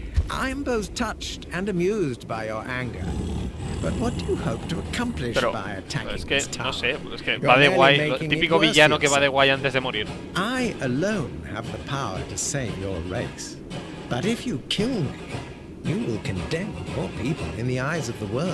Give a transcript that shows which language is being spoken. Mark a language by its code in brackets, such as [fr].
[en] I'm both touched and amused by your anger. But what do you hope to accomplish [es] pero, [en] by attacking [es] es que, no sé, es que va de guay, típico villano que va de guay antes de morir. [en] I alone have the power to save your race. But if you kill me, you will condemn your people in the eyes of the world.